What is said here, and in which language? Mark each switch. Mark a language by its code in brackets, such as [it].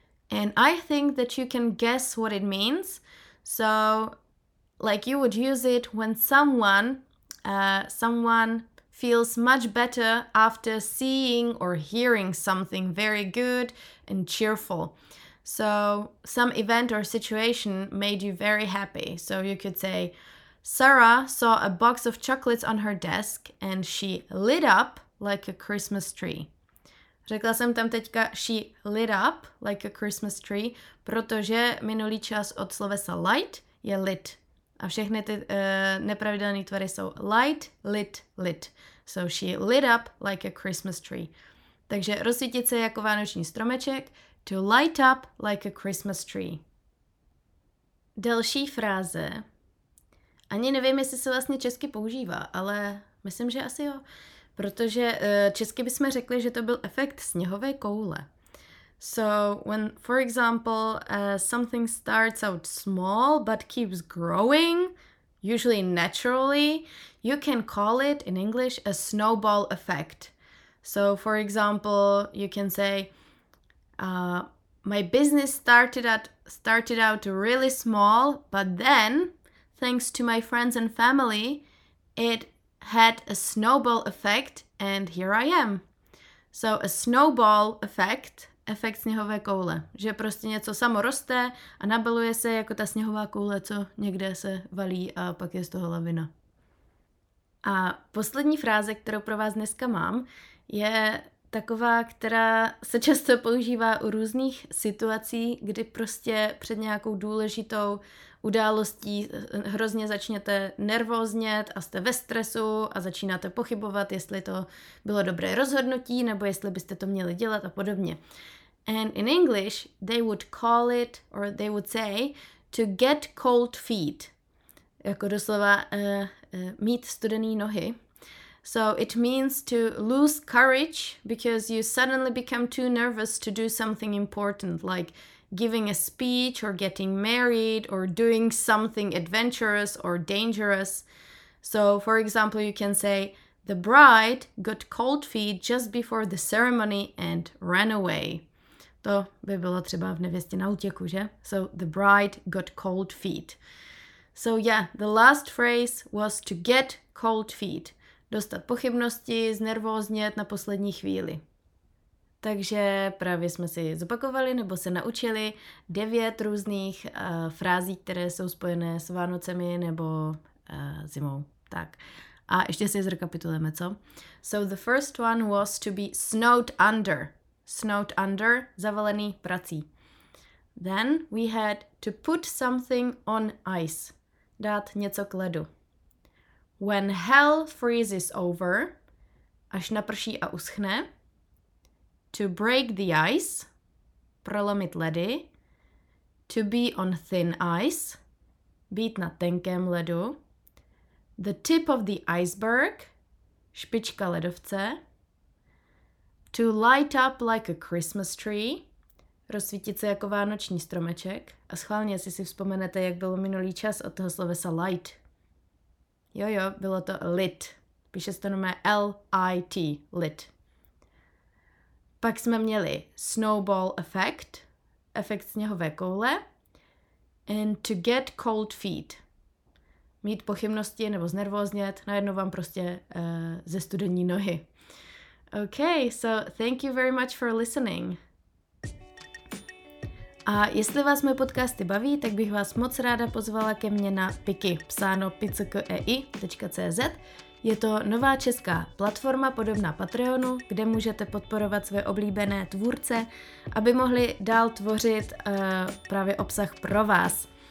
[en] And I think that you can guess what it means. So, like, you would use it when someone feels much better after seeing or hearing something very good and cheerful. So some event or situation made you very happy. So you could say, Sarah saw a box of chocolates on her desk and she lit up like a Christmas tree. [cs] Řekla jsem tam teďka [en] she lit up like a Christmas tree, [cs] protože minulý čas od slovesa light je lit. A všechny ty nepravidelné tvary jsou light, lit, lit. [en] So she lit up like a Christmas tree. [cs] Takže rozsvítit se jako vánoční stromeček, [en] to light up like a Christmas tree. [cs] Další fráze. Ani nevím, jestli se vlastně česky používá, ale myslím, že asi jo. Protože česky bychom řekli, že to byl efekt sněhové koule. [en] So when, for example, something starts out small but keeps growing, usually naturally, you can call it in English a snowball effect. So for example, you can say, my business started out really small, but then, thanks to my friends and family, it had a snowball effect, and here I am. So a snowball effect, [cs] efekt sněhové koule, že prostě něco samo roste a nabaluje se jako ta sněhová koule, co někde se valí a pak je z toho lavina. A poslední fráze, kterou pro vás dneska mám, je taková, která se často používá u různých situací, kdy prostě před nějakou důležitou událostí hrozně začnete nervóznět a jste ve stresu a začínáte pochybovat, jestli to bylo dobré rozhodnutí nebo jestli byste to měli dělat a podobně. [en] And in English, they would call it, or they would say, to get cold feet. [cs] Jako doslova mít studený nohy. [en] So it means to lose courage because you suddenly become too nervous to do something important like giving a speech or getting married or doing something adventurous or dangerous. So for example, you can say the bride got cold feet just before the ceremony and ran away. [cs] To by bylo třeba v nevěstě na útěku, že? [en] So the bride got cold feet. So yeah, the last phrase was to get cold feet. [cs] Dostat pochybnosti, znervóznět na poslední chvíli. Takže právě jsme si zopakovali nebo se naučili 9 různých frází, které jsou spojené s Vánocemi nebo zimou. Tak. A ještě si zrekapitulujeme, co? [en] So the first one was to be snowed under. Snowed under, [cs] zavalený prací. [en] Then we had to put something on ice. [cs] Dát něco k ledu. [en] When hell freezes over, [cs] až naprší a uschne, [en] to break the ice, [cs] prolomit ledy, [en] to be on thin ice, [cs] být na tenkém ledu, [en] the tip of the iceberg, [cs] špička ledovce, [en] to light up like a Christmas tree, [cs] rozsvítit se jako vánoční stromeček, a schválně jestli si vzpomenete, jak bylo minulý čas od toho slovesa light. Jo, bylo to lit. Píše se to jmenuje L-I-T, lit. Pak jsme měli [en] snowball effect, [cs] efekt sněhové koule, [en] and to get cold feet. [cs] Mít pochybnosti nebo znervóznět, najednou vám prostě ze studení nohy. [en] Okay, so thank you very much for listening. [cs] A jestli vás moje podcasty baví, tak bych vás moc ráda pozvala ke mně na Piki, psáno piki.cz. Je to nová česká platforma podobná Patreonu, kde můžete podporovat své oblíbené tvůrce, aby mohli dál tvořit právě obsah pro vás.